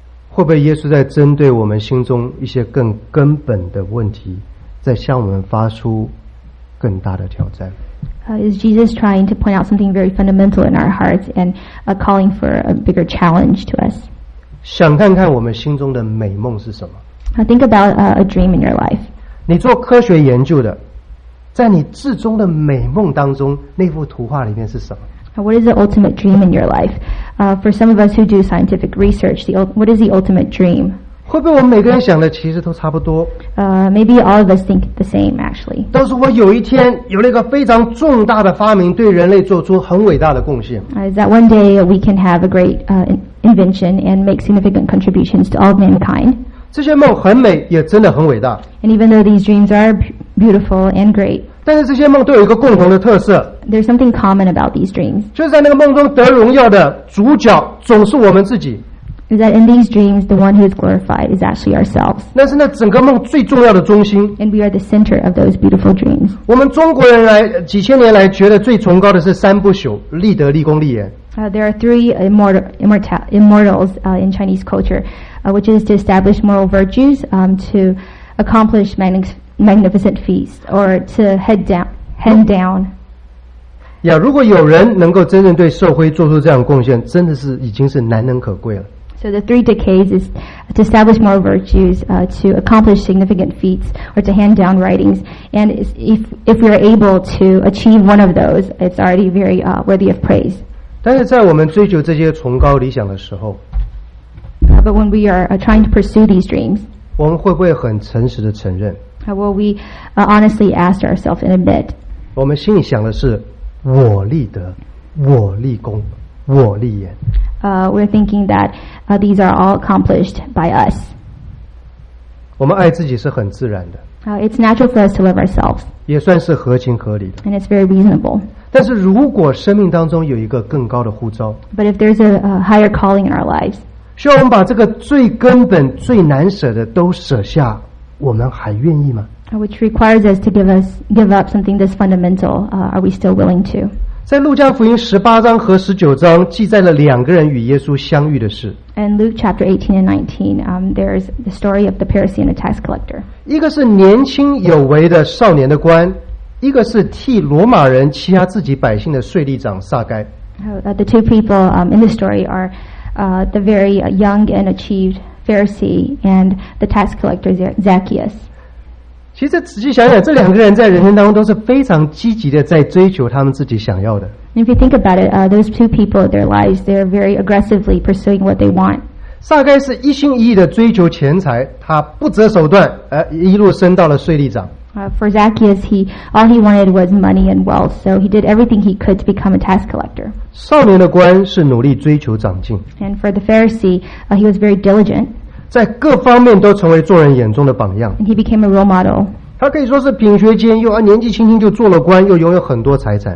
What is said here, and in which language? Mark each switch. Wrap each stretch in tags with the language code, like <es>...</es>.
<zh>会不会耶稣在针对我们心中一些更根本的问题，在向我们发出更大的挑战？</zh> <en>Is Jesus trying to point out something very fundamental in our hearts and calling for a bigger challenge to us?</en> <zh>想看看我们心中的美梦是什么。</zh> <en>Think about a dream in your life.</en> <zh>你做科学研究的，在你至终的美梦当中，那幅图画里面是什么？</zh> <en>What is the ultimate dream in your life? For some of us who do scientific research, what is the ultimate dream?</en> <zh>会不会我们每个人想的其实都差不多？</zh> <en>Maybe all of us think the same, actually.</en> <zh>但是我有一天有了一个非常重大的发明，对人类做出很伟大的贡献。</zh> <en>Is that one day we can have a great invention and make significant contributions to all mankind?</en> <zh>这些梦很美，也真的很伟大。</zh> <en>And even though these dreams are beautiful and great.</en> <zh>但是这些梦都有一个共同的特色。</zh> <en>There's something common about these dreams.</en> <zh>就是在那个梦中得荣耀的主角总是我们自己。</zh> <en>Is that in these dreams, the one who is glorified is actually ourselves.</en> <zh>那是那整个梦最重要的中心。</zh> <en>And we are the center of those beautiful dreams.</en> <zh>我们中国人来几千年来觉得最崇高的是三不朽，立德、立功、立言。</zh> <en>There are three immortals in Chinese culture, which is to establish moral virtues, to accomplish magnificent feasts, or to hand down.</en> <zh>呀，如果有人能够真正对社会做出这样贡献，真的是已经是难能可贵了。</zh> <en>So the three decades is to establish moral virtues, to accomplish significant feats, or to hand down writings. And if we are able to achieve one of those, it's already very worthy of praise.</en> <zh>但是在我们追求这些崇高理想的时候，</zh> <en>But when we are trying to pursue these dreams,</en> <zh>我们会不会很诚实的承认？</zh> <en>Will we honestly ask ourselves and admit?</en> <zh>我们心里想的是我立德，我立功，我立言。</zh> <en>We're thinking that these are all accomplished by us.</en> <zh>我们爱自己是很自然的。</zh> <en>It's natural for us to love ourselves.</en> <zh>也算是合情合理的。</zh> <en>And it's very reasonable.</en> <zh>但是如果生命当中有一个更高的呼召，</zh> <en>But if there's a higher calling in our lives,</en> <zh>需要我们把这个最根本、最难舍的都舍下，我们还愿意吗？</zh> <en>Which requires us to give up something this fundamental, are we still willing to?</en> <zh>在路加福音十八章和十九章记载了两个人与耶稣相遇的事。</zh> <en>In Luke chapter 18 and 19, there's the story of the Pharisee and the tax collector.</en> <zh>一个是年轻有为的少年的官，一个是替罗马人欺压自己百姓的税吏长撒该。</zh> <en>The two people in the story are the very young and achieved Pharisee and the tax collector Zacchaeus.</en> <zh>其实仔细想想，这两个人在人生当中都是非常积极的，在追求他们自己想要的。</zh> <en>If you think about it, those two people, their lives, they are very aggressively pursuing what they want.</en> <zh>撒该是一心一意的追求钱财，他不择手段，一路升到了税吏长。</zh> <en>For Zacchaeus, all he wanted was money and wealth, so he did everything he could to become a tax collector.</en> <zh>少年的官是努力追求长进。</zh> <en>And for the Pharisee, he was very diligent.</en> <zh>在各方面都成为做人眼中的榜样。</zh> <en>He became a role model.</en> <zh>他可以说是品学兼优，年纪轻轻就做了官，又拥有很多财产。</zh>